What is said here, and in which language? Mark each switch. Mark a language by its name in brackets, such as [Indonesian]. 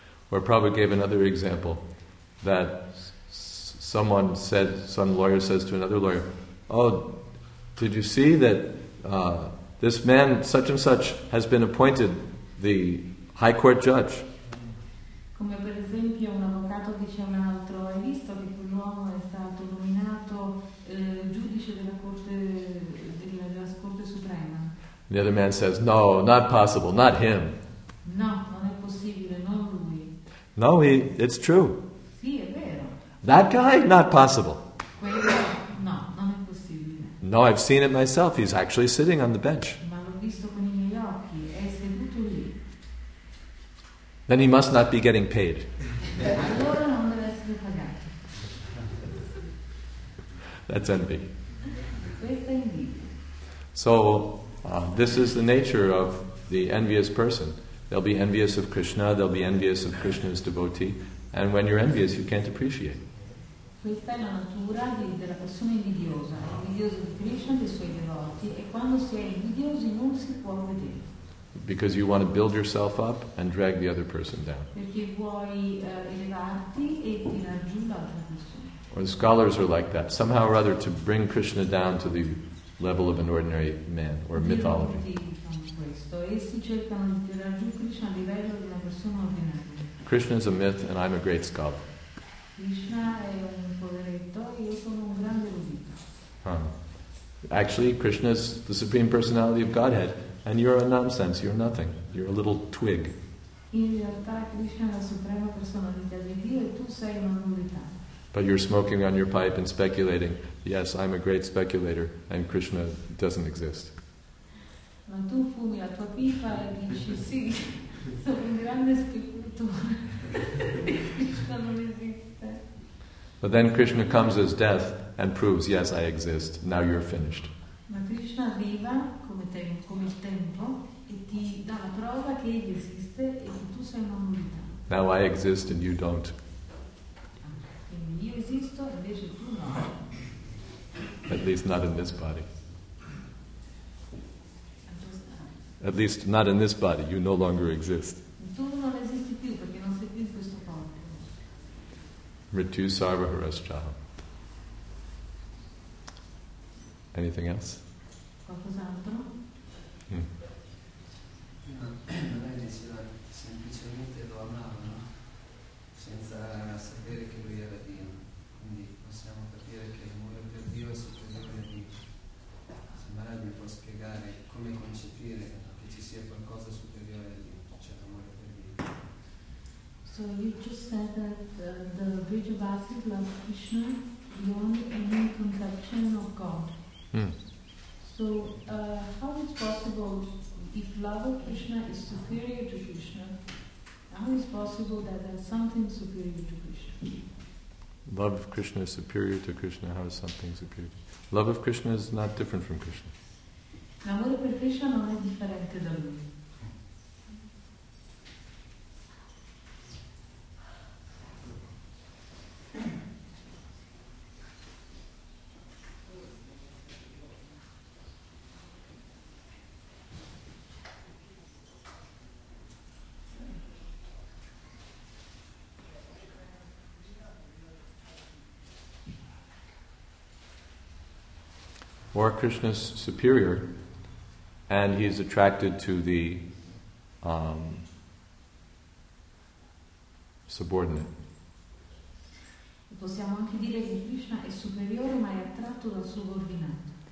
[English] Or Prabhupada gave another example that someone said, some lawyer says to another lawyer, oh, did you see that this man, such and such, has been appointed the high court judge? [Italian] Come per esempio un avvocato dice a un altro, hai visto che quell'uomo è stato nominato giudice della Corte Suprema? [English] The other man says, no, not possible, not him. [Italian] No, non è possibile, non lui. [English] No, it's true. [Italian] Sì, è vero. [English] That guy? Not possible. [Italian] Quello? No, non è possibile. [English] No, I've seen it myself. He's actually sitting on the bench. [Italian] Ma l'ho visto con i miei occhi. È seduto lì. [English] Then he must not be getting paid. [Italian] Allora non deve essere pagato. [English] That's envy. [Italian] Questa è invidia. [English] So, this is the nature of the envious person. They'll be envious of Krishna, they'll be envious of Krishna's devotee, and when you're envious, you can't appreciate. [Italian] Questa è la natura della persona invidiosa, invidiosa di Krishna e dei suoi devoti, e quando si è invidiosi non si può vedere. [English] Because you want to build yourself up and drag the other person down. [Italian] Perché vuoi elevarti e tirare giù l'altra persona. [English] Or the scholars are like that. Somehow or other, to bring Krishna down to the level of an ordinary man or mythology. [Italian] Essi cercano di tirare giù Krishna a livello di una persona ordinaria. [English] Krishna is a myth and I'm a great scholar. [Italian] Krishna è un poveretto e io sono un grande erudito. [English] Actually, Krishna is the Supreme Personality of Godhead. And you're a nonsense, you're nothing. You're a little twig. [Italian] In realtà Krishna è la suprema personalità di Dio e tu sei una nullità. [English] But you're smoking on your pipe and speculating. Yes, I'm a great speculator and Krishna doesn't exist. [Italian] Ma tu fumi la tua pipa e dici sì, sono un grande speculatore. Krishna non esiste. [English] But then Krishna comes as death and proves, yes, I exist. Now you're finished. [Italian] Ma Krishna arriva come, te, come il tempo e ti dà la prova che egli esiste e che tu sei una nullità. [English] Now I exist and you don't. [Italian] Io esisto e invece tu no. [English] At least not in this body. At least not in this body. You no longer exist. [Italian] Tu non esisti più perché non sei più in questo corpo. [Sanskrit] Mritu sarva harascha. [English] Anything else? [Italian] Qualcos'altro? Prima lei diceva semplicemente lo amavano senza sapere che lui era Dio. Quindi possiamo capire che l'amore per Dio è superiore a Dio. Se magari mi può spiegare come concepire che ci sia qualcosa superiore a Dio, cioè l'amore per Dio. [English] So you just said that the bridge of acid love Krishna beyond any conception of God. So, how is possible, if love of Krishna is superior to Krishna, how is possible that there is something superior to Krishna? Love of Krishna is superior to Krishna, how is something superior? Love of Krishna is not different from Krishna. [Italian] L'amore per Krishna non è differente da lui. [English] Or Krishna's superior, and he is attracted to the subordinate. [Italian] Possiamo anche dire che Krishna è superiore, ma è attratto dal subordinato.